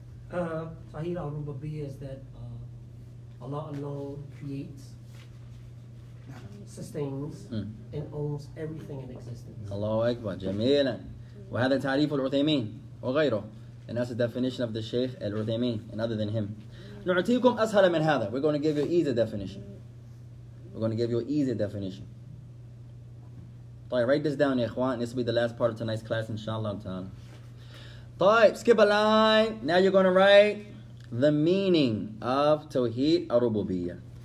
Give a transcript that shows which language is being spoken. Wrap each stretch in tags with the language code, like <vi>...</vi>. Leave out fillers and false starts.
<en>Tawheed Rububiyya is that Allah alone creates, sustains, and owns everything in existence. Allahu Akbar. Jameelan.</en> <ar>وهذا تعريف العثيمين وغيره.</ar> <en>And that's the definition of the Shaykh Al-Uthaymeen, and other than him.</en> <ar>نُعْتِيكُمْ أَسْهَلَ مِنْ هَذَا.</ar> <en>We're going to give you an easy definition. We're going to give you an easy definition. طيب, write this down, ikhwan. This will be the last part of tonight's class, inshallah ta'ala. طيب, skip a line. Now you're going to write the meaning of Tawheed Ar-Rububiyya.</en>